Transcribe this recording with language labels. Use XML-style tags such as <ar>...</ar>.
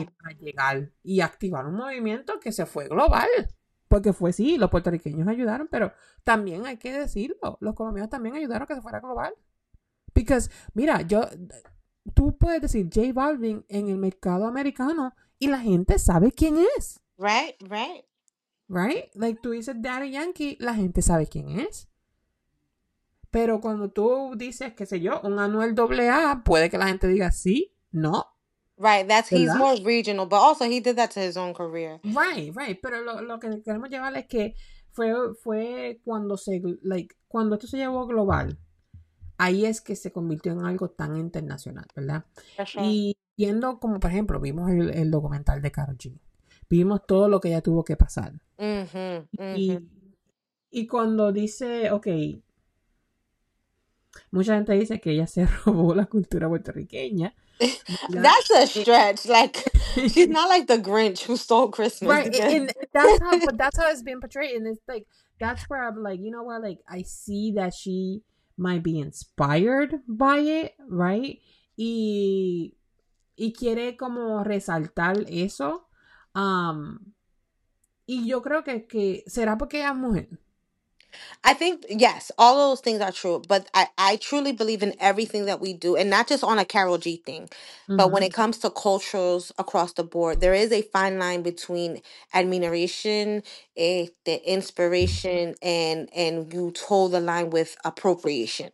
<es>Y para llegar y activar un movimiento que se fue global, porque fue, sí, los puertorriqueños ayudaron, pero también hay que decirlo, los colombianos también ayudaron a que se fuera global, because mira, tú puedes decir J Balvin en el mercado americano y la gente sabe quién es,</es> <en>right,</en> <es>like, tú dices Daddy Yankee, la gente sabe quién es, pero cuando tú dices, qué sé yo, un Anuel AA, puede que la gente diga sí, no.</es> <en>Right, that's he's ¿verdad? More regional, but also he did that to his own career. Right.</en> <es>Pero lo que queremos llevar es que fue cuando se like cuando esto se llevó global, ahí es que se convirtió en algo tan internacional, ¿verdad?</es> <en>Sure.</en> <es>Y viendo como por ejemplo vimos el documental de Karol G, vimos todo lo que ella tuvo que pasar. Mm-hmm. Y cuando dice, okay, Mucha gente dice que ella se robó la cultura puertorriqueña.</es> <en>That's a stretch. Like, she's not like the Grinch who stole Christmas. Right, and that's how it's being portrayed. And it's like, that's where I'm like, you know what? Like, I see that she might be inspired by it, right?</en> <es>Y quiere como resaltar eso. Y yo creo que será porque es mujer.</es> <en>I think, yes, all those things are true, but I truly believe in everything that we do, and not just on a Karol G thing, mm-hmm. but when it comes to cultures across the board, there is a fine line between admiration, the inspiration, and you toe the line with appropriation.</en>